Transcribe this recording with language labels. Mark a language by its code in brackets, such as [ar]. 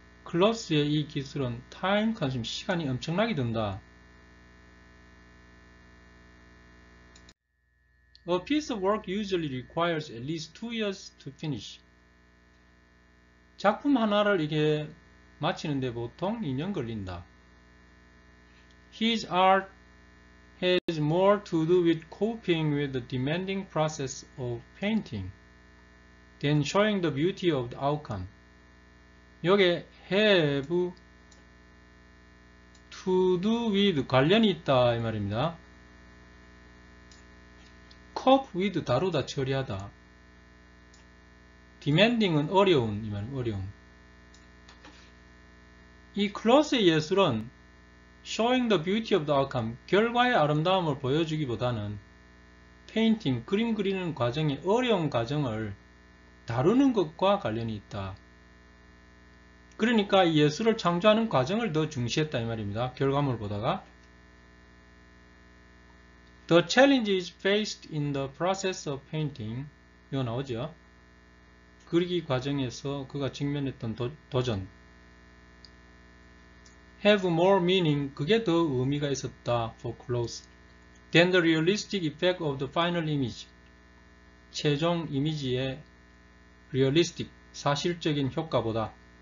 [ko] Close의 이 기술은 [en] time consuming, [ko] 시간이 엄청나게 든다. [en] A piece of work usually requires at least 2 years to finish. [ko] 작품 하나를 이게 마치는데 보통 2년 걸린다. [en] His art has more to do with coping with the demanding process of painting than showing the beauty of the outcome. [ko] 여기에 [en] have to do with [ko] 관련이 있다 이 말입니다. [en] Cope with [ko] 다루다 처리하다. Demanding은 어려운 이 말입니다. 어려운. 이 클로스의 예술은 [en] showing the beauty of the outcome, [ko] 결과의 아름다움을 보여주기보다는 painting, 그림 그리는 과정의 어려운 과정을 다루는 것과 관련이 있다. 그러니까 이 예술을 창조하는 과정을 더 중시했다 이 말입니다. 결과물 보다가. [en] The challenge is faced in the process of painting. [ko] 이거 나오죠? 그리기 과정에서 그가 직면했던 도전. [en] Have more meaning, [ko] 그게 더 의미가 있었다, [en] for close, than the realistic effect of the final image. [ko] 최종 이미지의 realistic, 사실적인 효과보다.